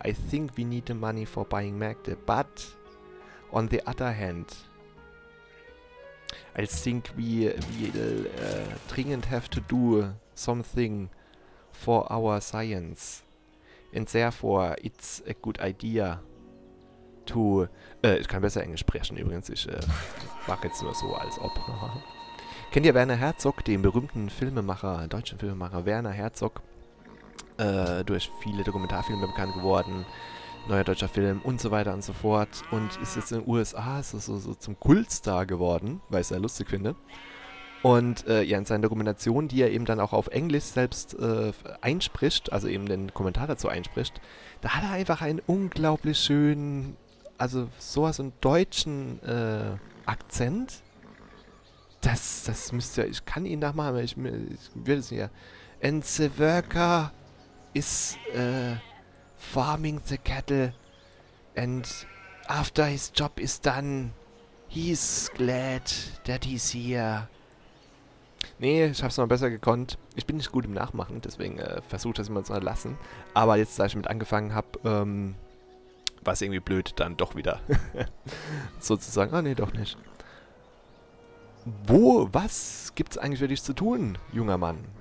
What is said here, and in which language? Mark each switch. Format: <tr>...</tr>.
<en>I think we need the money for buying</en> <de>Märkte.</de> <en>But on the other hand, I think we</en> <de>dringend</de> <en>have to do something for our science, and therefore it's a good idea to...</en> <de>ich kann besser Englisch sprechen übrigens, ich mache jetzt nur so, als ob. Kennt ihr Werner Herzog, den berühmten Filmemacher, deutschen Filmemacher Werner Herzog? Durch viele Dokumentarfilme bekannt geworden, neuer deutscher Film und so weiter und so fort. Und ist jetzt in den USA so zum Kultstar geworden, weil ich es sehr lustig finde. Und ja, in seinen Dokumentationen, die er eben dann auch auf Englisch selbst einspricht, also eben den Kommentar dazu einspricht, da hat er einfach einen unglaublich schönen, also sowas einen deutschen Akzent. Das müsste ja, ich kann ihn nachmachen, ich würde es nicht. Ja.</de> <en>And the worker is farming the cattle and after his job is done, he's glad that he's here.</en> <de>Nee, ich hab's mal besser gekonnt. Ich bin nicht gut im Nachmachen, deswegen versuche das immer zu lassen. Aber jetzt, da ich mit angefangen habe, war es irgendwie blöd, dann doch wieder. Sozusagen. Ah, nee, doch nicht. Wo, was gibt's eigentlich für dich zu tun, junger Mann?</de>